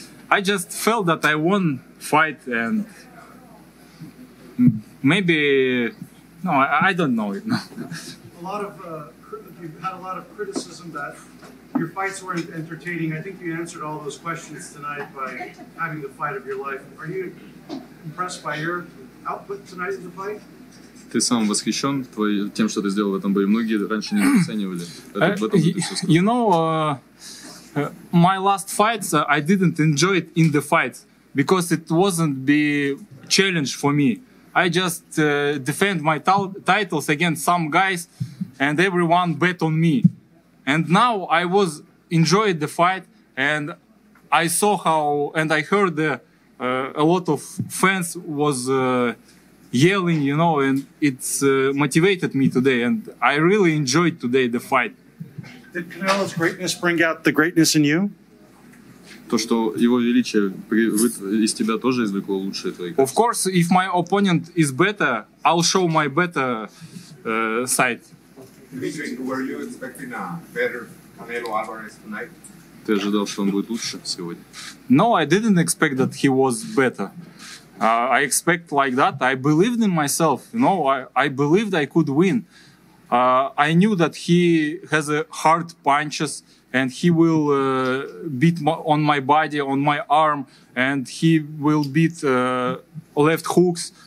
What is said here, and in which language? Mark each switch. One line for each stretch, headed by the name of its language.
English: I just felt that I won fight, and maybe no, I don't know it. A lot of you've had a lot of criticism that your fights weren't entertaining. I think you answered all those questions tonight by having the fight of your life. Are you impressed by your output tonight in the fight?
Russian: Ты сам восхищен твой тем, что ты сделал в этом бою. Многие раньше не оценивали.
English: You know. My last fights, I didn't enjoy it in the fight because it wasn't the challenge for me. I just defend my titles against some guys and everyone bet on me. And now I was enjoyed the fight, and I saw how, and I heard a lot of fans was yelling, you know, and it's motivated me today, and I really enjoyed today the fight. Did Canelo's greatness bring out the greatness in you?
Russian: То, что его величие из тебя тоже извлекло лучшее твое.
English: Of course, if my opponent is better, I'll show my better side. Dmitry, were you expecting a better Canelo Álvarez tonight?
Russian: Ты ожидал, что он будет лучше сегодня?
English: No, I didn't expect that he was better. I expect like that. I believed in myself. You know, I believed I could win. I knew that he has hard punches, and he will beat on my body, on my arm, and he will beat left hooks.